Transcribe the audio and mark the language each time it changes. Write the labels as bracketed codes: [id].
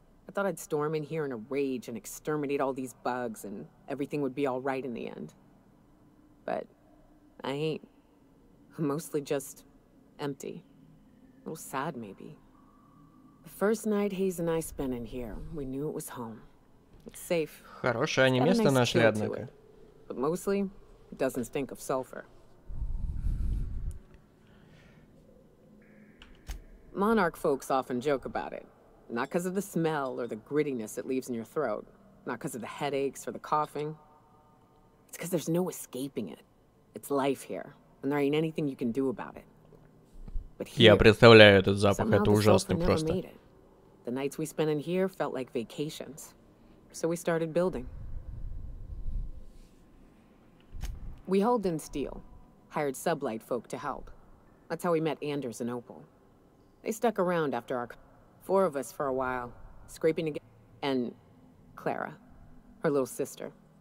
[en] I thought I'd storm in here in a rage and exterminate all these bugs and everything would be all right in the end. But I ain't. I'm mostly just empty. A little sad, maybe. The first night Hayes and I spent in here, we knew it was home. It's safe. [ru] Хорошее они место нашли, однако. [en] But mostly, it doesn't stink of sulfur. Monarch folks often joke about it. Not because of the smell or the grittiness it leaves in your throat. Not because of the headaches or the coughing. It's because there's no escaping it. It's life here, and there ain't anything you can do about it. But here, [ru] я представляю этот запах, это ужасно просто. [en] The nights we spent in here felt like vacations. So we started building. We hauled in steel, hired sublight folk to help. That's how we met Anders and Opal. They stuck around after our four of us for a while, scraping together, and Clara, her little sister.